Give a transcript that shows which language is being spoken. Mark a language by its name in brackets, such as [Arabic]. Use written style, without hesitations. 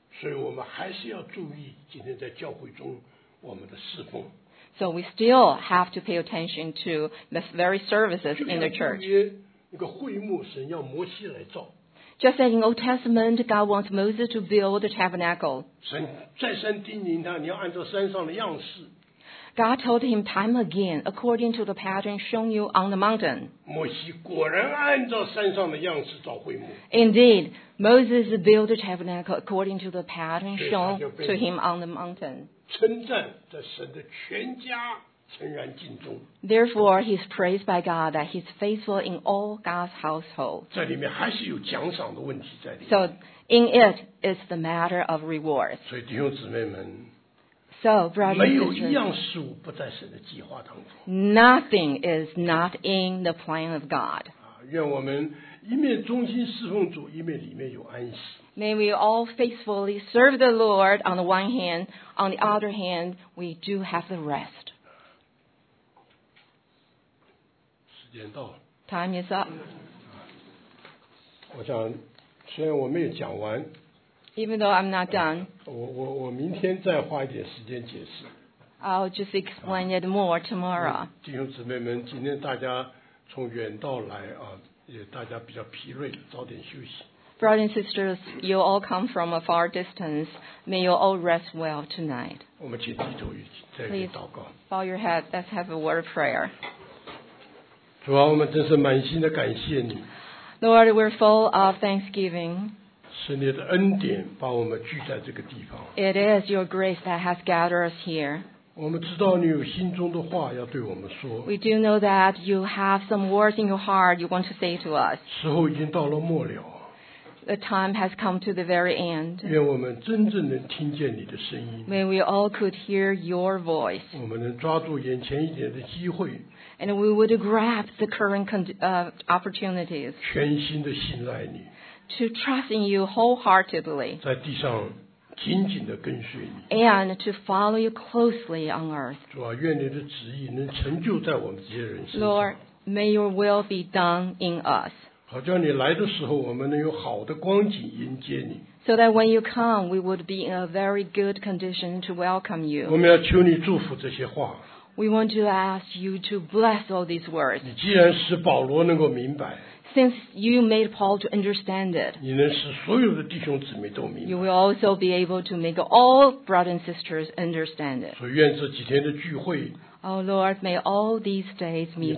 [Chinese] 所以我们还是要注意今天在教会中我们的侍奉 [English] So we still have to pay attention to the very services in the church. [Chinese] 那个会幕神要摩西来造。 [English] Just as in Old Testament, God wants Moses to build the tabernacle. [Chinese] 神再三叮咛他，你要按照山上的样式。 [English] God told him time again, according to the pattern shown you on the mountain. [Chinese] 摩西果然按照山上的样式造会幕。 [English] Indeed, Moses built the tabernacle according to the pattern shown to him on the mountain. [Chinese] 称赞在神的全家诚然尽忠。 [English] Therefore, he is praised by God that he is faithful in all God's household. [Chinese] 这里面还是有奖赏的问题在里面。 [English] So, in it is the matter of rewards. [Chinese] 所以弟兄姊妹们 [English] so, brothers, [Chinese] 没有一样事物不在神的计划当中。 [English] Nothing is not in the plan of God. [Chinese] 愿我们一面忠心侍奉主一面里面有安息。 [English] May we all faithfully serve the Lord on the one hand. On the other hand, we do have the rest. [Chinese] 时间到了。 [English] Time is up. [Chinese] 我想，虽然我没有讲完。 [English] Even though I'm not done. [Chinese] 我明天再花一点时间解释。 [English] I'll just explain it more tomorrow. [Chinese] 弟兄姊妹们，今天大家从远道来啊，也大家比较疲累，早点休息。 [English] Brothers and sisters, you all come from a far distance. May you all rest well tonight. Please bow your head. Let's have a word of prayer. [Chinese] 主啊，我们真是满心的感谢你。 [English] Lord, we're full of thanksgiving. [Chinese] 是你的恩典把我们聚在这个地方。 [English] It is your grace that has gathered us here. [Chinese] 我们知道你有心中的话要对我们说。 [English] We do know that you have some words in your heart you want to say to us. [Chinese] 时候已经到了末了。 [English] The time has come to the very end. [Chinese] 愿我们真正能听见你的声音。 [English] May we all could hear your voice. [Chinese] 我们能抓住眼前一点的机会。 [English] And we would grab the current opportunities. [Chinese] 全心的信赖你。 [English] To trust in you wholeheartedly. [Chinese] 在地上紧紧的跟随你。 [English] And to follow you closely on earth. [Chinese] 主啊，愿你的旨意能成就在我们这些人身上。 [English] Lord, may your will be done in us. [Chinese] 好叫你来的时候我们能有好的光景迎接你 [English] So that when you come We would be in a very good condition to welcome you [Chinese] 我们要求你祝福这些话 [English] We want to ask you to bless all these words [Chinese] 你既然使保罗能够明白 [English] Since you made Paul to understand it [Chinese] 你能使所有的弟兄姊妹都明白 [English] You will also be able to make all brothers and sisters understand it [Chinese] 所以愿这几天的聚会 [English] Oh Lord, may all these days meet